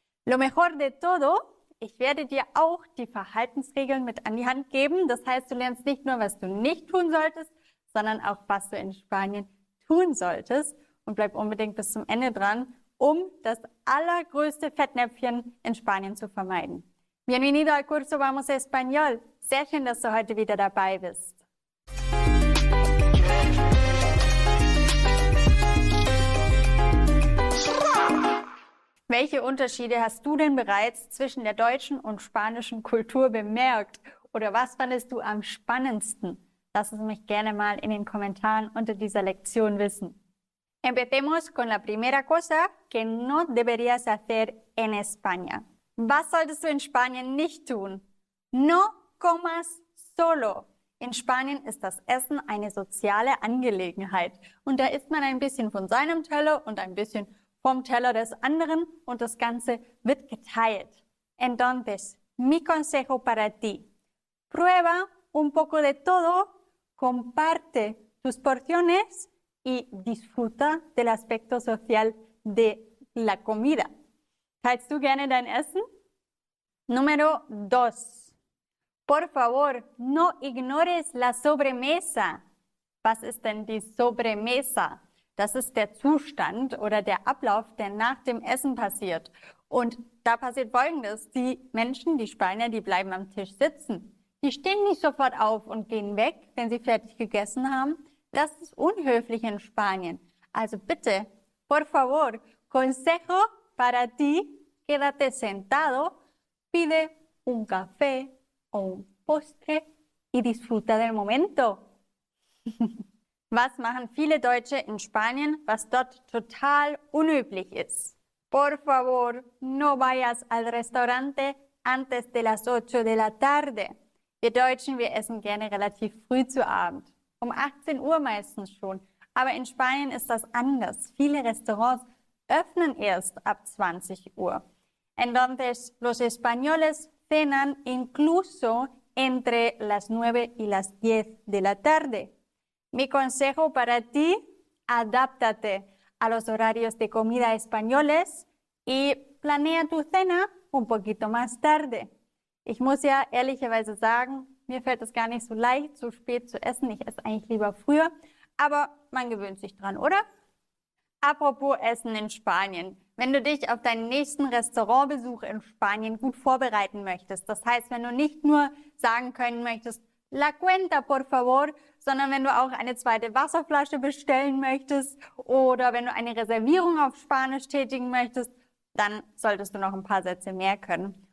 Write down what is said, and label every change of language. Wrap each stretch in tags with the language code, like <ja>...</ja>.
<es>Lo mejor de todo,</es> <de>ich werde dir auch die Verhaltensregeln mit an die Hand geben. Das heißt, du lernst nicht nur, was du nicht tun solltest, sondern auch, was du in Spanien tun solltest. Und bleib unbedingt bis zum Ende dran, um das allergrößte Fettnäpfchen in Spanien zu vermeiden.</de> <es>Bienvenido al curso Vamos Español.</es> <de>Sehr schön, dass du heute wieder dabei bist. Welche Unterschiede hast du denn bereits zwischen der deutschen und spanischen Kultur bemerkt? Oder was fandest du am spannendsten? Lass es mich gerne mal in den Kommentaren unter dieser Lektion wissen.</de> <es>Empecemos con la primera cosa que no deberías hacer en España.</es> <de>Was solltest du in Spanien nicht tun?</de> <es>No comas solo.</es> <de>In Spanien ist das Essen eine soziale Angelegenheit. Und da isst man ein bisschen von seinem Teller und ein bisschen vom Teller des anderen und das Ganze wird geteilt.</de> <es>Entonces, mi consejo para ti. Prueba un poco de todo. Comparte tus porciones y disfruta del aspecto social de la comida.</es> <de>¿Teilst du gerne dein Essen?</de> <es>Número 2. Por favor, no ignores la sobremesa.</es> <de>Was ist denn die Sobremesa? Das ist der Zustand oder der Ablauf, der nach dem Essen passiert. Und da passiert Folgendes. Die Menschen, die Spanier, die bleiben am Tisch sitzen. Die stehen nicht sofort auf und gehen weg, wenn sie fertig gegessen haben. Das ist unhöflich in Spanien. Also bitte,</de> <es>por favor, consejo para ti, quédate sentado, pide un café o un postre y disfruta del momento.</es> <de>Was machen viele Deutsche in Spanien, was dort total unüblich ist?</de> <es>Por favor, no vayas al restaurante antes de las 8 de la tarde.</es> <de>Wir Deutschen, wir essen gerne relativ früh zu Abend. Um 18 Uhr meistens schon. Aber in Spanien ist das anders. Viele Restaurants öffnen erst ab 20 Uhr.</de> <es>Entonces, los españoles cenan incluso entre las 9 y las 10 de la tarde. Mi consejo para ti, adáptate a los horarios de comida españoles y planea tu cena un poquito más tarde.</es> <de>Ich muss ja ehrlicherweise sagen, mir fällt es gar nicht so leicht, so spät zu essen. Ich esse eigentlich lieber früher, aber man gewöhnt sich dran, oder? Apropos Essen in Spanien. Wenn du dich auf deinen nächsten Restaurantbesuch in Spanien gut vorbereiten möchtest, das heißt, wenn du nicht nur sagen können möchtest,</de> <es>la cuenta, por favor,</es> <de>sondern wenn du auch eine zweite Wasserflasche bestellen möchtest oder wenn du eine Reservierung auf Spanisch tätigen möchtest, dann solltest du noch ein paar Sätze mehr können.</de>